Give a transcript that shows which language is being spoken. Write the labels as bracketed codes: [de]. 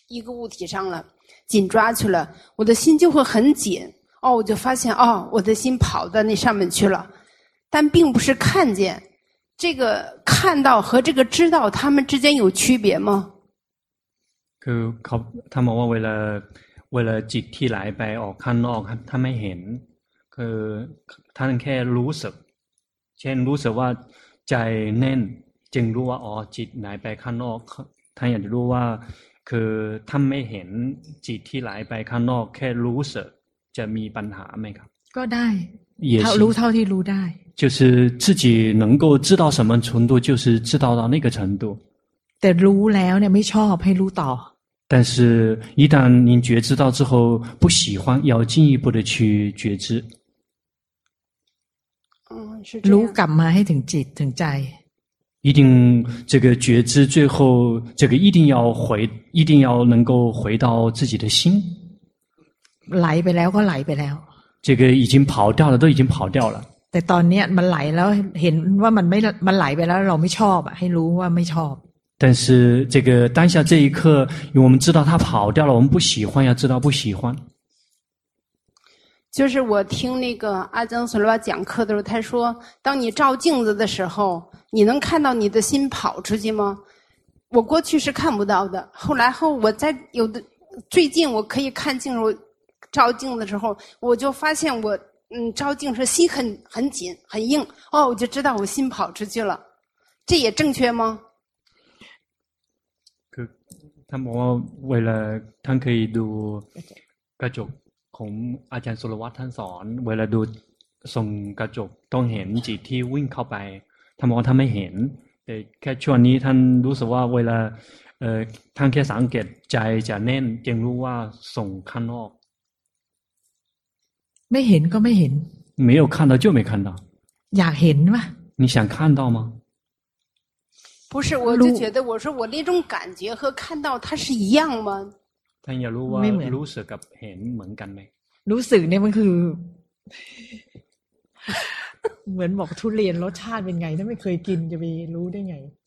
[zh] 物体上了紧抓去了我的心就会很紧哦我就发现哦我的心跑到那上面去了但并不是看见这个看到和这个知道他们之间有区别吗他们为了 [th] เวลาจิตที่ไหลไปออกข้างนอกถ้าไม่เห็นคือท่านแค่รู้สึกเช่นรู้สึกว่าใจแน่นจึงรู้ว่าอ๋อจิตไหลไปข้างนอกท่านอยากจะรู้ว่าคือท่านไม่เห็นจิตที่ไหลไปข้างนอกแค่รู้สึกจะมีปัญหาไหมครับ ก็ได้เท่ารู้เท่าที่รู้ได้ [zh] 就是自己能够知道什么程度就是知道到那个程度 [th] แต่รู้แล้วเนี่ยไม่ชอบให้รู้ต่อ [zh] 但是一旦您觉知到之后不喜欢要进一步的去觉知 [th] รู้กลับมาให้ถึงจิตถึงใจ [zh] 一定这个觉知最后这个一定要能够回到自己的心 [th] ไหลไปแล้วก็ไหลไปแล้ว [zh] 这个已经跑掉了都已经跑掉了 [th] แต่ตอนนี้มันไหลแล้วเห็นว่ามันไม่มันไหลไปแล้วเราไม่ชอบให้รู้ว่าไม่ชอบ [zh] 但是这个当下这一刻我们知道它跑掉了我们不喜欢要知道不喜欢就是我听那个阿曾索罗巴讲课的时候他说当你照镜子的时候你能看到你的心跑出去吗我过去是看不到的后来后我在有的最近我可以看镜子照镜子的时候我就发现我照镜子心很紧很硬哦我就知道我心跑出去了这也正确吗 [th] ท่านบอกว่าเวลาท่านเคยดูกระจกของอาจารย์สุรวัตรท่านสอนเวลาดูส่งกระจกต้องเห็นจิตที่วิ่งเข้าไปท่านบอกว่าท่านไม่เห็นแต่แค่ช่วงนี้ท่านรู้สึกว่าเวลาท่านแค่สังเกตใจจะแน่นจึงรู้ว่าส่งข้างนอก ไม่เห็นก็ไม่เห็น [zh] 没有看到就没看到 [th] อยากเห็นป่ะ [zh] 你想看到吗不是我就觉得我说我那种感觉和看到它是一样吗 [th] ท่านอยากรู้ว่ารู้สึกกับเห็นเหมือนกันไหม รู้สึกเนี่ยมันคือเหมือนบอกทุเรียนรสชาติเป็นไงถ้าไม่เคยกินจะไปรู้ได้ไง